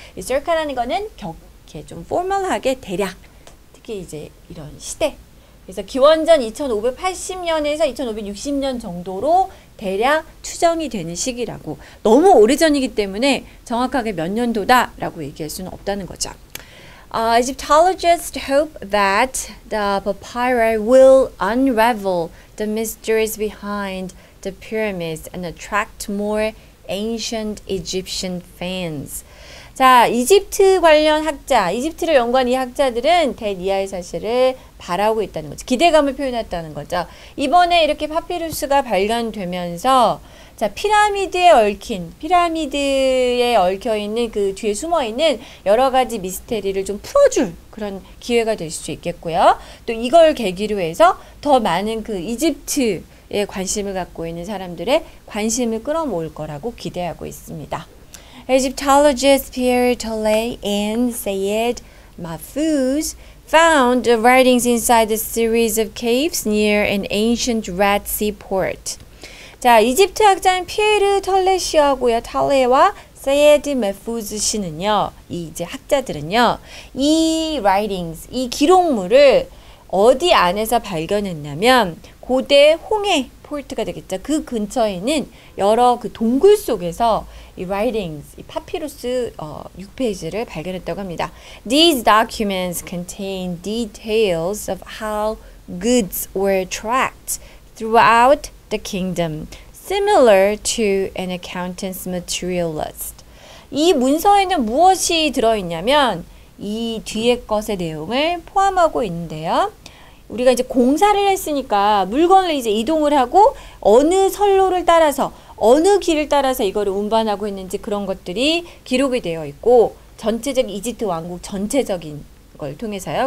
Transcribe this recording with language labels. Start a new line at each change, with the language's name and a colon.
Korean: 이 circa라는 거는 이렇게 좀 formal하게 대략, 특히 이제 이런 시대. 그래서 기원전 2,580년에서 2,560년 정도로 대략 추정이 되는 시기라고. 너무 오래전이기 때문에 정확하게 몇 년도다라고 얘기할 수는 없다는 거죠.
English: Egyptologists hope that the papyri will unravel the mysteries behind the pyramids and attract more Ancient Egyptian fans.
Korean: 자, 이집트 관련 학자, 이집트를 연구한 이 학자들은 대니아의 사실을 바라고 있다는 거죠. 기대감을 표현했다는 거죠. 이번에 이렇게 파피루스가 발견되면서, 자, 피라미드에 얽혀 있는 그 뒤에 숨어 있는 여러 가지 미스터리를 좀 풀어줄 그런 기회가 될 수 있겠고요. 또 이걸 계기로 해서 더 많은 그 이집트 예, 관심을 갖고 있는 사람들의 관심을 끌어모을 거라고 기대하고 있습니다.
English: Egyptologists Pierre Tollet and Sayed Mahfouz found the writings inside a series of caves near an ancient Red Sea port.
Korean: 자, 이집트 학자인 피에르 톨레 씨하고요, 톨레와 세예드 메푸즈 씨는요, 이 이제 학자들은요, 이 writings, 이 기록물을 어디 안에서 발견했냐면, 고대 홍해 포트가 되겠죠. 그 근처에 있는 여러 그 동굴 속에서 이 writings, 이 파피루스 6페이지를 발견했다고 합니다.
English: These documents contain details of how goods were tracked throughout the kingdom, similar to an accountant's material list.
Korean: 이 문서에는 무엇이 들어있냐면 이 뒤에 것의 내용을 포함하고 있는데요. 우리가 이제 공사를 했으니까 물건을 이제 이동을 하고 어느 선로를 따라서 어느 길을 따라서 이거를 운반하고 있는지 그런 것들이 기록이 되어 있고 전체적인 이집트 왕국 전체적인 걸 통해서요.